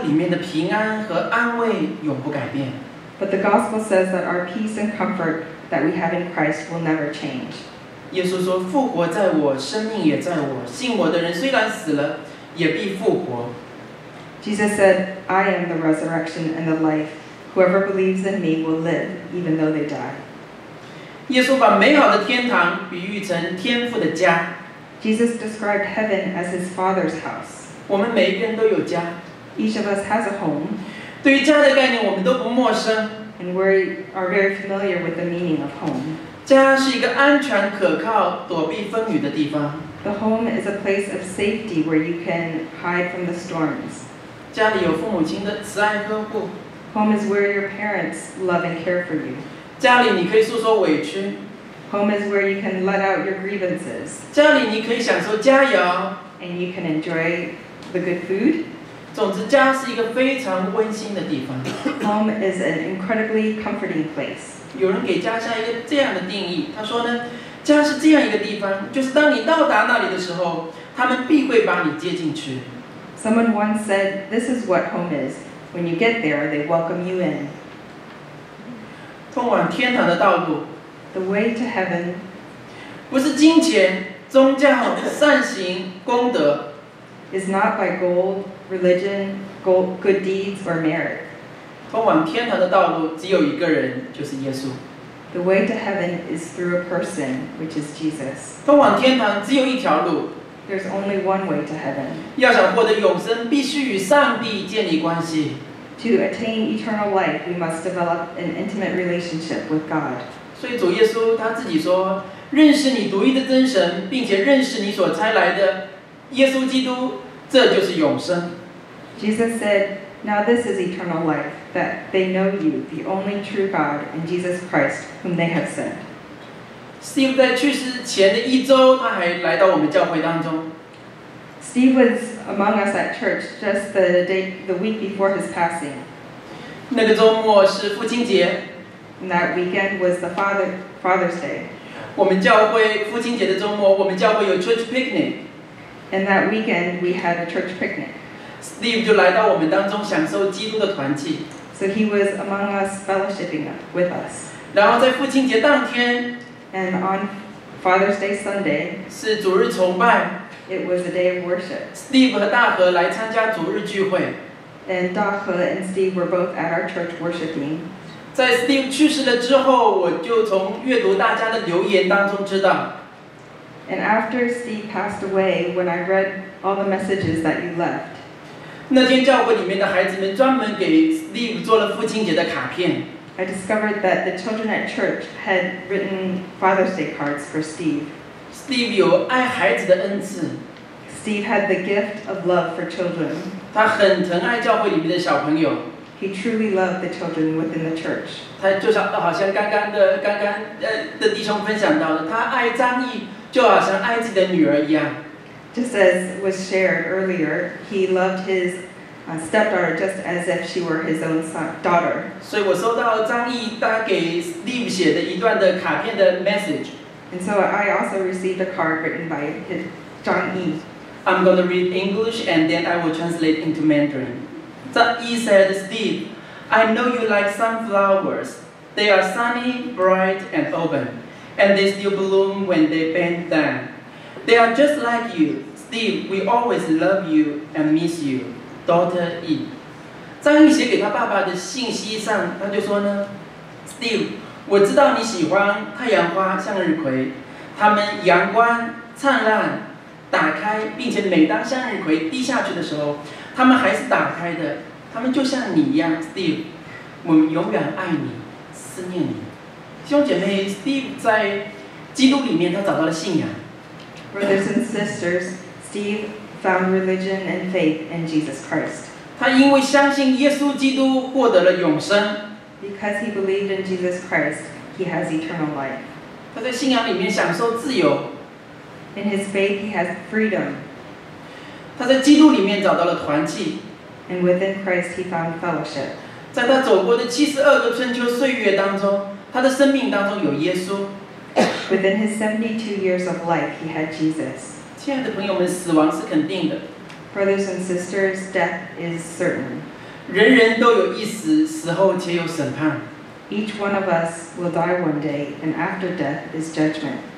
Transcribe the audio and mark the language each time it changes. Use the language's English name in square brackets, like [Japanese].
[Chinese] 但是福音说我们在基督里面的平安和安慰永不改变。 [English] But the gospel says that our peace and comfort that we have in Christ will never change. [Chinese] 耶稣说复活在我，生命也在我，信我的人虽然死了，也必复活。 [English] Jesus said, I am the resurrection and the life. Whoever believes in me will live, even though they die. [Chinese] 耶稣把美好的天堂比喻成天父的家。 [English] Jesus described heaven as his father's house. [Chinese] 我们每一个人都有家。 [English] Each of us has a home. [Chinese] 对于家的概念我们都不陌生。 [English] And we are very familiar with the meaning of home. [Chinese] 家是一个安全可靠躲避风雨的地方。 [English] The home is a place of safety where you can hide from the storms. [Chinese] 家里有父母亲的慈爱呵护。 [English] Home is where your parents love and care for you. [Chinese] 家里你可以诉说委屈。 [English] Home is where you can let out your grievances. [Chinese] 家里你可以享受佳肴。 [English] And you can enjoy the good food. [Chinese] 总之家是一个非常温馨的地方。 [English] Home is an incredibly comforting place. [Chinese] 有人给家下一个这样的定义，他说呢，家是这样一个地方，就是当你到达那里的时候，他们必会把你接进去。 [English] Someone once said, this is what home is. When you get there, they welcome you in. [Chinese] 通往天堂的道路。 [English] The way to heaven. [Chinese] 不是金钱、宗教、善行、功德。 [English] Is not by gold, religion, gold, good deeds, or merit. [Chinese] 通往天堂的道路只有一个人，就是耶稣。 [English] The way to heaven is through a person, which is Jesus. [Chinese] 通往天堂只有一条路。 [English] There's only one way to heaven. [Chinese] 要想获得永生，必须与上帝建立关系。 [English] To attain eternal life, we must develop an intimate relationship with God. [Chinese] 所以主耶稣他自己说，认识你独一的真神，并且认识你所差来的耶稣基督，这就是永生。 [English] Jesus said, now this is eternal life. That they know you, the only true God, and Jesus Christ, whom they have sent. [Chinese] Steve 在去世前的一周，他还来到我们教会当中。 [English] Steve was among us at church just the week before his passing. [Chinese] 那个周末是父亲节。 [English] And that weekend was the Father's Day. [Chinese] 我们教会父亲节的周末，我们教会有 [English] church picnic. And that weekend we had a church picnic. [Chinese] Steve 就来到我们当中享受基督的团契。 [English] So he was among us fellowshipping with us. [Chinese] 然后在父亲节当天 [English] And on Father's Day Sunday [Chinese] 是主日崇拜 [English] It was a day of worship. [Chinese] Steve 和大和来参加主日聚会 [English] And 大和 and Steve were both at our church worshipping. [Chinese] 在 Steve 去世了之后，我就从阅读大家的留言当中知道。 [English] And after Steve passed away, when I read all the messages that you left, [Chinese] 那天教会里面的孩子们专门给 Steve 做了父亲节的卡片。 [English] I discovered that the children at church had written Father's Day cards for Steve. [Chinese] Steve 有爱孩子的恩赐。 [English] Steve had the gift of love for children. [Chinese] 他很疼爱教会里面的小朋友。 [English] He truly loved the children within the church. [Chinese] 他就像好像刚刚的弟兄分享到的，他爱张毅就好像爱自己的女儿一样。 [English] Just as was shared earlier, he loved his stepdaughter just as if she were his own daughter. [Chinese] 所以我收到张毅他给 Steve 写的一段的卡片的 message. [English] And so I also received a card written by his, 张毅. I'm going to read English and then I will translate into Mandarin. 张毅 said, Steve, I know you like sunflowers. They are sunny, bright, and open. And they still bloom when they bend down. They are just like you. Steve, we always love you and miss you. Daughter E. [Chinese] 张毅写给他爸爸的信息上，他就说呢， Steve, 我知道你喜欢太阳花向日葵，它们阳光灿烂，打开，并且每当向日葵滴下去的时候，它们还是打开的，它们就像你一样， Steve, 我们永远爱你，思念你。弟兄姐妹， Steve 在基督里面他找到了信仰。 [English] Brothers and sisters, Steve found religion and faith in Jesus Christ. [Chinese] 他因为相信耶稣基督获得了永生。 [English] Because he believed in Jesus Christ, he has eternal life. [Chinese] 他在信仰里面享受自由。 [English] In his faith, he has freedom. [Chinese] 他在基督里面找到了团契。 [English] And within Christ, he found fellowship. [Chinese] 在他走过的72个春秋岁月当中，他的生命当中有耶稣。 [English] Within his 72 years of life, he had Jesus. [Chinese] 亲爱的朋友们，死亡是肯定的。 [English] Brothers and sisters, death is certain. [Chinese] 人人都有一死，死后且有审判。 [English] Each one of us will die one day, and after death is judgment.